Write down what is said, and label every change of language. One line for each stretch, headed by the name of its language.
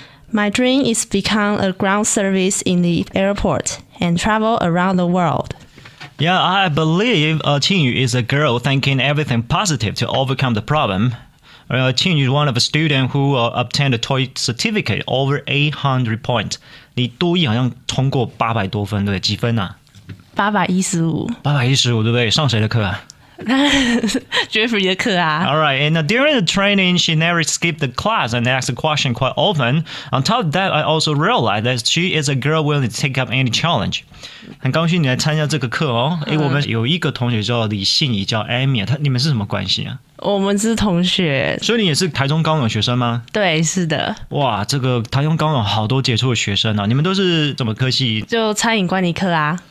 English: My dream is become a ground service in the airport and travel around the world. Yeah, I believe Qingyu is a girl thinking everything positive to overcome the problem. Qingyu is one of the students who obtained a TOEIC certificate over 800 points.
Chinese: 你多一好像通过800多分，对，几分啊？ 815，对不对？上谁的课啊？ Jeffrey 的课啊。
English: Alright, and during the training, she never skipped the class and asked a question quite often. On top of that, I also realized that she is a girl willing to take up any challenge.
Chinese: 很高兴你来参加这个课哦。欸，我们有一个同学叫李信宜，叫 Amy， 你们是什么关系啊？我们是同学。所以你也是台中高等学生吗？对，是的。哇，这个台中高等好多杰出的学生啊，你们都是什么科系？就餐饮管理科啊。